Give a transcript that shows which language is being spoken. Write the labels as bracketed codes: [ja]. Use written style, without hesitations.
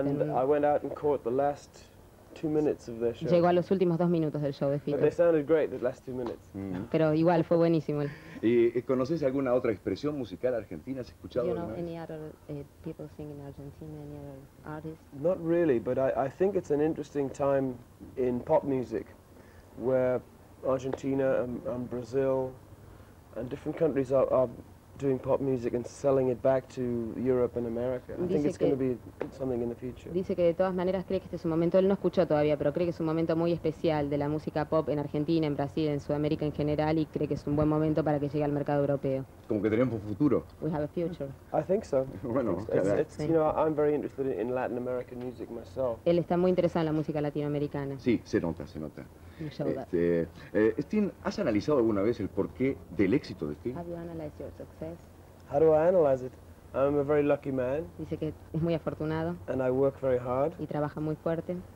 [en] And I went out and caught the last 2 minutes of their show. [es] Llegó a los últimos 2 minutos del show de Fito. [en] But they sounded great the last 2 minutes. Mm. [es] Pero igual fue buenísimo. ¿Y conoces alguna otra expresión musical argentina? ¿Has escuchado alguna? [en] You know any other people sing in Argentina? Any other artists? Not really, but I think it's an interesting time in pop music, where Argentina and Brazil and different countries are doing pop music and selling it back to Europe and America. I think it's going to be something in the future. [es] Dice que de todas maneras cree que este es un momento, él no escuchó todavía, pero cree que es un momento muy especial de la música pop en Argentina, en Brasil, en Sudamérica en general, y cree que es un buen momento para que llegue al mercado europeo. Como que tenemos un futuro. [en] We have a future. I think so. [es] Bueno, [en] it's, you know, I'm very interested in Latin American music myself. [es] Él está muy interesado en la música latinoamericana. Sí, se nota, se nota. Stine, ¿has analizado alguna vez el porqué del éxito de Stine? [en] Have you analyzed your success? How do I analyze it? I'm a very lucky man. [es] Dice que es muy afortunado. [en] And I work very hard. [es] Y trabaja muy fuerte.